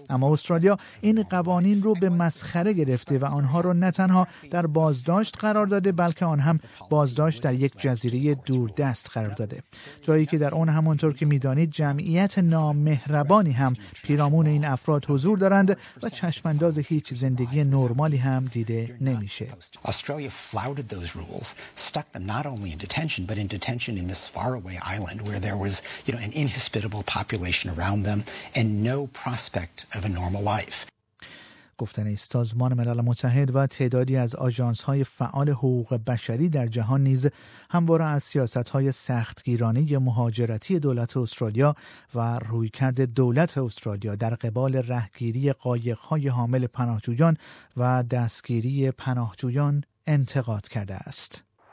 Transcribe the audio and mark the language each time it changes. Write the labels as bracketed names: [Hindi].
[Persian] اما استرالیا این قوانین رو به مسخره گرفته و آنها رو نه تنها در بازداشت قرار داده، بلکه آن هم بازداشت در یک جزیره دوردست قرار داده، جایی که در اون همونطور که می دانید جمعیت نامهربانی هم پیرامون این افراد حضور دارند و چشمانداز هیچ زندگی نرمالی هم دیده نمیشه. [English] Australia flouted those rules, stuck them not only in detention but in detention in this faraway island where there was, you know, an inhospitable population around them and no prospect of a normal life. [Persian] گفتن سازمان ملل متحد و تعدادی از آژانس‌های فعال حقوق بشری در جهان نیز همواره از سیاست‌های سختگیرانه مهاجرتی دولت استرالیا و رویکرد دولت استرالیا در قبال رهگیری قایق‌های حامل پناهجویان و دستگیری پناهجویان انتقاد کرده است.